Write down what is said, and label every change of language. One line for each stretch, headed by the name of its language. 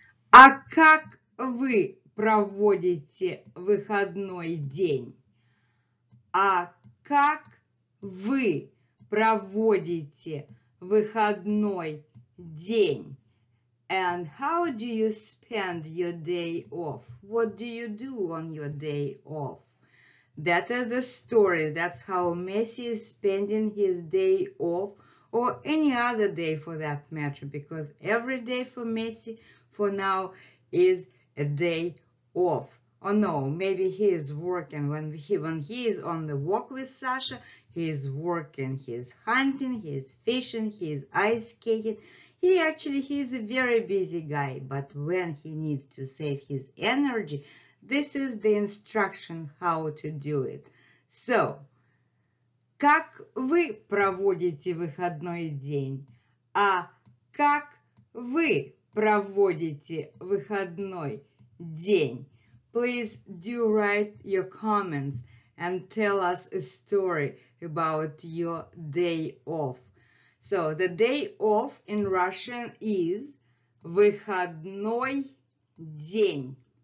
Russian: А как вы проводите выходной день? А как вы проводите выходной день?
English: And how do you spend your day off? What do you do on your day off? That is the story. That's how Messi is spending his day off, or any other day for that matter, because every day for Messi for now is a day off. Or no, maybe he is working. When he is on the walk with Sasha, He's working, he's hunting, he's fishing, he's ice skating. He's a very busy guy, but when he needs to save his energy, this is the instruction how to do it.
Russian: So, как вы проводите выходной день? А как вы проводите выходной день?
English: Please do write your comments and tell us a story about your day off. So, the day off in Russian is
Russian: выходной день.